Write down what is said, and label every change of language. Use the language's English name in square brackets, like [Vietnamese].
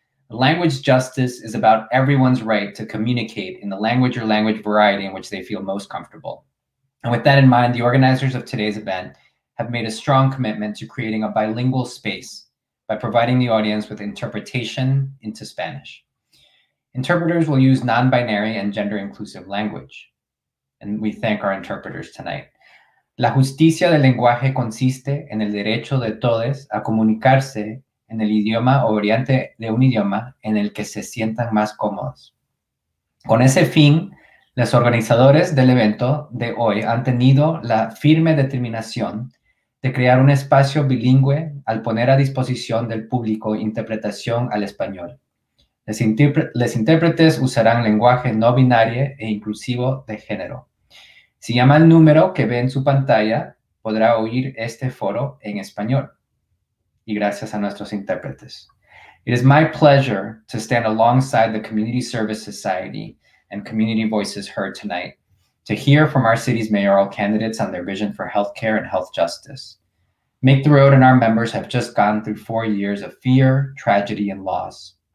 [English] Language justice is about everyone's right to communicate in the language or language variety in which they feel most comfortable. And with that in mind, the organizers of today's event have made a strong commitment to creating a bilingual space by providing the audience with interpretation into Spanish. Interpreters will use non-binary and gender-inclusive language. And we thank our interpreters tonight. [Spanish] La justicia del lenguaje consiste en el derecho de todos a comunicarse en el idioma o variante de un idioma en el que se sientan más cómodos. Con ese fin, los organizadores del evento de hoy han tenido la firme determinación de crear un espacio bilingüe al poner a disposición del público interpretación al español. Los intérpretes usarán lenguaje no binario e inclusivo de género. Si llama al número que ve en su pantalla, podrá oír este foro en español. Y gracias a nuestros intérpretes. [English] It is my pleasure to stand alongside the Community Service Society and Community Voices Heard tonight to hear from our city's mayoral candidates on their vision for healthcare and health justice. Make the Road and our members have just gone through 4 years of fear, tragedy, and loss.